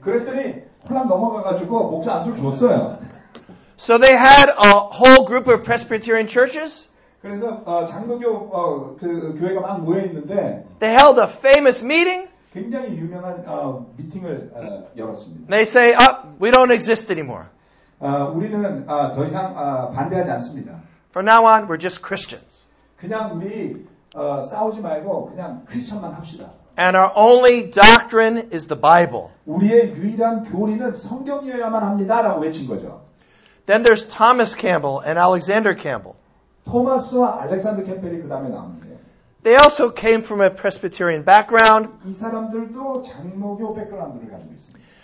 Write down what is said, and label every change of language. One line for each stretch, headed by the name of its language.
Korean: 그랬더니 혼란 넘어가가지고 목사 안수를 줬어요.
English: So they had a whole group of Presbyterian churches.
Korean: 그래서 장로교 그 교회가 막 모여 있는데.
English: They held a famous meeting.
Korean: 굉장히 유명한 미팅을 열었습니다.
English: They say, "Up, we don't exist anymore."
Korean: 우리는 더 이상 반대하지 않습니다.
English: From now on, we're just Christians.
Korean: 그냥 우리 싸우지 말고 그냥 크리스천만 합시다.
English: And our only doctrine is the Bible.
Korean: 우리의 유일한 교리는 성경이어야만 합니다라고 외친 거죠.
English: Then there's Thomas Campbell and Alexander Campbell.
Korean: 토마스와 알렉산더 캠벨이 그다음에 나옵니다.
English: They also came from a Presbyterian background.
Korean: 이 사람들도 장로교 백그라운드를 가지고 있습니다.